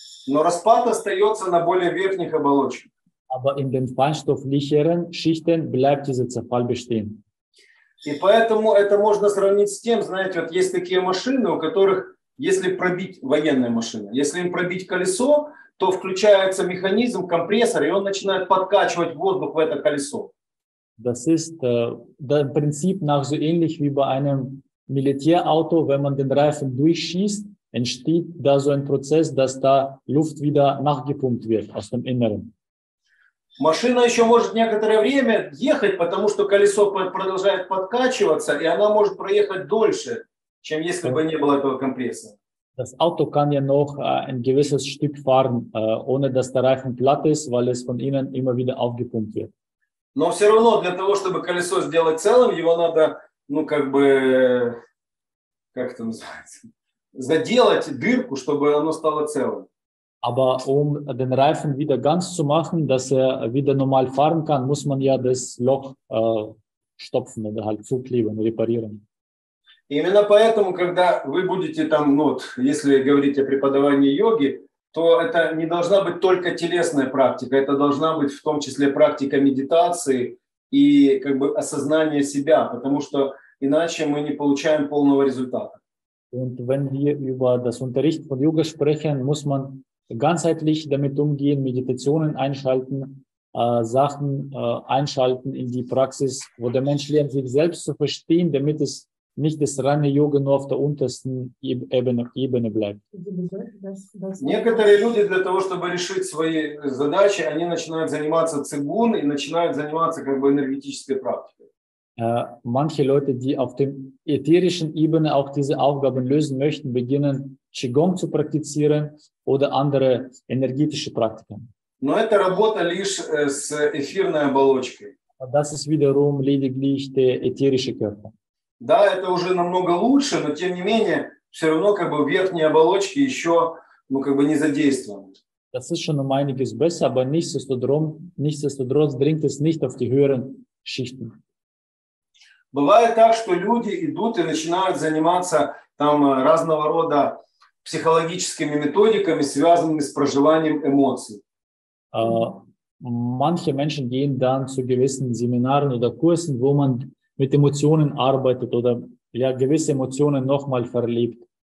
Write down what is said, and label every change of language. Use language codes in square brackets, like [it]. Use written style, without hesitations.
[ru] Но распад остается на более верхних оболочках. [de] Aber in den feinstofflicheren Schichten bleibt dieser Zerfall bestehen. [ru] И поэтому это можно сравнить с тем, знаете, вот есть такие машины, у которых, если пробить военные машины, если им пробить колесо, то включается механизм, компрессор, и он начинает подкачивать воздух в это колесо. [de] Das ist der Prinzip nach so ähnlich wie bei einem Militärauto, wenn man den Reifen durchschießt, entsteht da so ein Prozess, dass da Luft wieder nachgepumpt wird aus dem Inneren. [ru] Машина еще может некоторое время ехать, потому что колесо продолжает подкачиваться, и она может проехать дольше, чем если бы не было этого компрессора. [de] Das Auto kann ja noch ein gewisses Stück fahren, ohne dass der Reifen platt ist, weil es von innen immer wieder aufgepumpt wird. [ru] Но все равно для того, чтобы колесо сделать целым, его надо, ну, как бы, как это называется, заделать дырку, чтобы оно стало целым. [de] Aber um den Reifen wieder ganz zu machen, dass er wieder normal fahren kann, muss man ja das Loch stopfen oder halt zukleben, reparieren. [ru] Именно поэтому, когда вы будете там, ну, вот, если говорить о преподавании йоги, то это не должна быть только телесная практика, это должна быть в том числе практика медитации и как бы осознание себя, потому что иначе мы не получаем полного результата. [de] Und wenn wir über das Unterricht von Yoga sprechen, muss man ganzheitlich damit umgehen, Meditationen einschalten, Sachen einschalten in die Praxis, wo der Mensch lernt, sich selbst zu verstehen, damit es nicht das reine Yoga nur auf der untersten Ebene bleibt. [ru] Некоторые люди для того, чтобы решить свои задачи, они начинают заниматься цигун и начинают заниматься как бы энергетической практикой. [de] Manche Leute, die auf dem ätherischen Ebene auch diese Aufgaben lösen möchten, beginnen Qigong zu praktizieren oder andere energetische Praktiken. [ru] Но это работа лишь с эфирной оболочкой. [de] Das ist wiederum lediglich der ätherische Körper. [ru] Да, это уже намного лучше, но тем не менее, все равно как бы верхние оболочки еще, ну, как бы не задействованы. [de] Das ist schon um einiges besser, aber nichtsdestotrotz dringt es nicht auf die höheren Schichten. [ru] Бывает так, что люди идут и начинают заниматься там разного рода психологическими методиками, связанными с проживанием эмоций. [de] Manche Menschen gehen dann zu gewissen Seminaren oder Kursen, wo man mit Emotionen arbeitet oder ja, gewisse Emotionen nochmal verliebt.